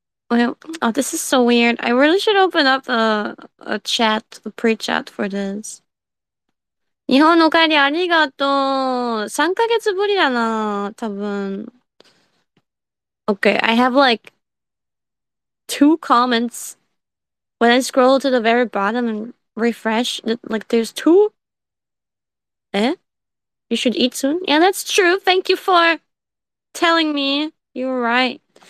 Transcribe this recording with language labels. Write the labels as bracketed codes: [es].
[en] Wait. Oh, this is so weird. I really should open up a chat, a pre-chat for this. [ja] 日本のお帰りありがとう。 3ヶ月ぶりだな、多分。 [en] Okay, I have like two comments. When I scroll to the very bottom and refresh, like there's two. Eh? You should eat soon? Yeah, that's true. Thank you for telling me. You're right.